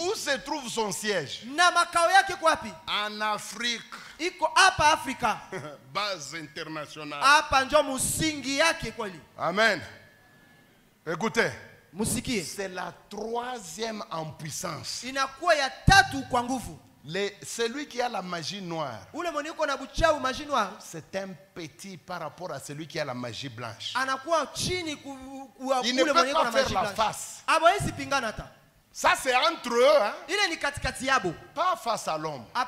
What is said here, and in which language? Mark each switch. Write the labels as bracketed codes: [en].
[fr] Où se trouve son siège? [sw] Na makao yake kwapi? [fr] En Afrique. [sw] Iko apa Afrika. [fr] Base internationale. [sw] Apa njo musingi yake kweli. [fr] Amen. Écoutez, [sw] Musiki. [fr] C'est la troisième en puissance. [sw] Inakuwa ya tatu kwa nguvu. [fr] Celui qui a la magie noire, c'est un petit par rapport à celui qui a la magie blanche. Il ne peut pas faire la face. Ça c'est entre eux. Hein? Pas face à l'homme.